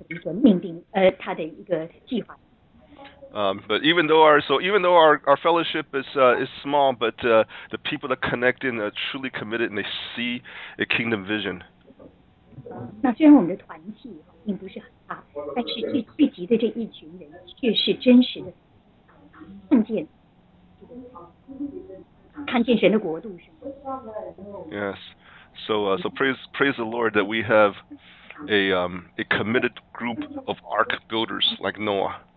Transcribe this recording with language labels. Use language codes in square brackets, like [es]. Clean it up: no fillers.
[zh] 神不会介意，就是小小的一群人，就像挪亚只是他的一家人，这样子来委身在神的这样子一个命定，他的一个计划。 [en] But even though our fellowship is small, but the people that connect in are truly committed and they see a kingdom vision. [zh] 那虽然我们的团体并不是很大，但是聚集的这一群人却是真实的看见神的国度，是吗？Yes, [en] so praise the Lord that we have a committed group of ark builders like Noah.